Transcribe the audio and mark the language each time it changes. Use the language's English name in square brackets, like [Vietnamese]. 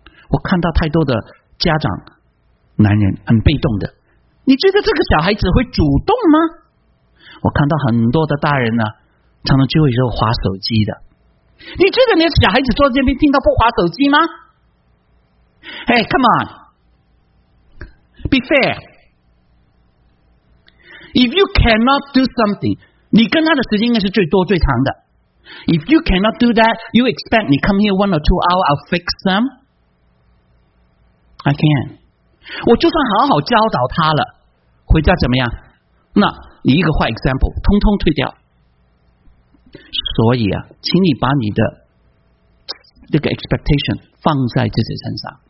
[Chinese] 我看到太多的家长男人很被动的，你觉得这个小孩子会主动吗？我看到很多的大人呢，常常聚会时候滑手机的，你觉得你的小孩子坐在这边听到不滑手机吗？ [English] Hey come on, be fair, if you cannot do something, [Chinese] 你跟他的时间应该是最多最长的。 [English] If you cannot do that, you expect me come here one or two hours, I'll fix them? I can. [Chinese] 我就算好好教导他了，回家怎么样？那你一个坏 example, 通通退掉。所以啊，请你把你的这个 expectation 放在自己身上。